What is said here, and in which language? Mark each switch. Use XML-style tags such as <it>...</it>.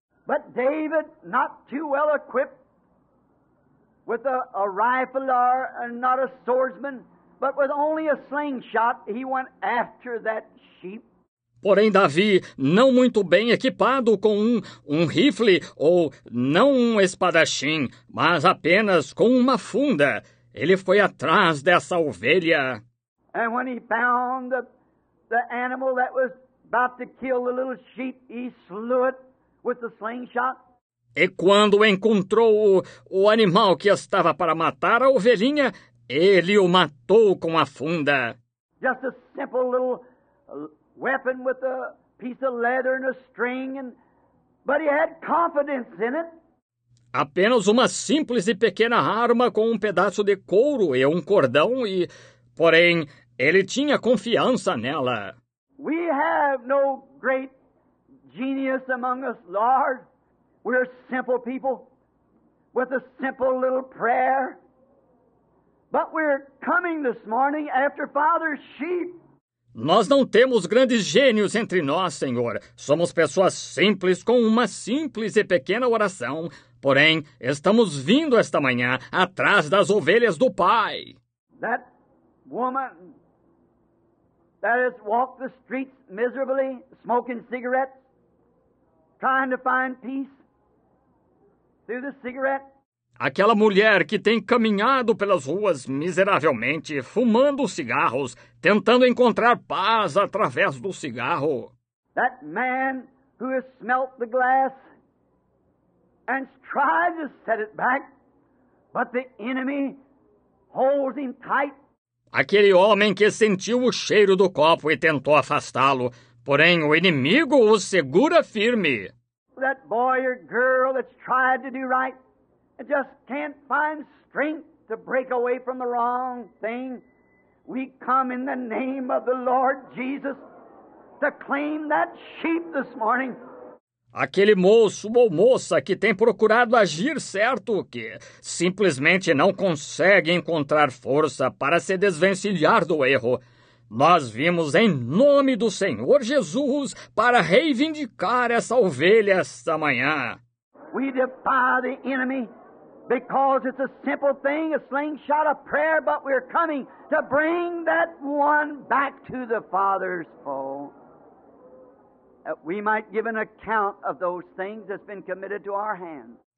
<en>But David, not too well equipped with a rifle or not a swordsman, but with only a slingshot, he went after that sheep.</en> <pt>Porém, Davi, não muito bem equipado com um rifle ou não um espadachim, mas apenas com uma funda, ele foi atrás dessa ovelha.</pt> <en>And when he found the animal that was about to kill the little sheep, he slew it with the slingshot.</en> <pt>E quando encontrou o animal que estava para matar a ovelhinha, ele o matou com a funda.</pt> <en>Just a simple little weapon with a piece of leather and a string, but he had confidence in it.</en> <pt>Apenas uma simples e pequena arma com um pedaço de couro e um cordão e, porém, ele tinha confiança nela.</pt> <en>We have no great genius among us, Lord. We're simple people with a simple little prayer. But we're coming this morning after Father's sheep.</en> <pt>Nós não temos grandes gênios entre nós, Senhor. Somos pessoas simples com uma simples e pequena oração. Porém, estamos vindo esta manhã atrás das ovelhas do Pai.</pt> <en>That woman that has walked the streets miserably, smoking cigarettes, trying to find peace through the cigarette.</en> <pt>Aquela mulher que tem caminhado pelas ruas miseravelmente, fumando cigarros, tentando encontrar paz através do cigarro.</pt> <en>That man who has smelt the glass and tried to set it back, but the enemy holds him tight.</en> <pt>Aquele homem que sentiu o cheiro do copo e tentou afastá-lo, porém o inimigo o segura firme.</pt> <en>That boy or girl that's tried to do right and just can't find strength to break away from the wrong thing. We come in the name of the Lord Jesus to claim that sheep this morning.</en> <pt>Aquele moço ou moça que tem procurado agir certo, que simplesmente não consegue encontrar força para se desvencilhar do erro, nós vimos em nome do Senhor Jesus para reivindicar essa ovelha esta manhã.</pt> <en>We defy the enemy because it's a simple thing, a slingshot of prayer, but we're coming to bring that one back to the Father's fold. That we might give an account of those things that's been committed to our hands.</en>